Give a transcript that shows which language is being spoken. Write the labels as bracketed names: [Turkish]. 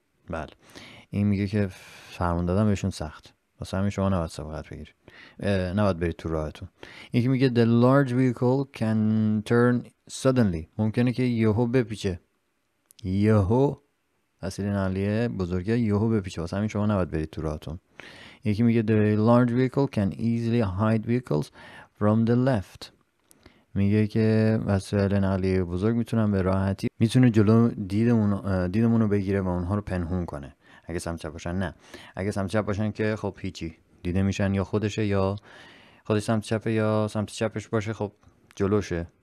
[Persian] بله. این میگه که فرمون دادن بهشون سخت. واسه همین شما نباید سبقت بگیر. نباید برید تو راهتون. این که میگه [English] the large vehicle can turn suddenly. [Persian] ممکنه که یهو بپیچه. یهو وسیله نقلیه بزرگه یهو بپیچه. واسه همین شما نباید برید تو راهتون. یکی میگه [English] the large vehicle can easily hide vehicles from the left. [Persian] میگه که وسایل نقلیه بزرگ میتونن به راحتی میتونه جلو دیدمون رو بگیره و اونها رو پنهون کنه. اگه سمت چپ باشن نه. اگه سمت چپ باشن که خب هیچی. دیده میشن یا خودشه یا خودش سمت چپه یا سمت چپش باشه خب جلوشه.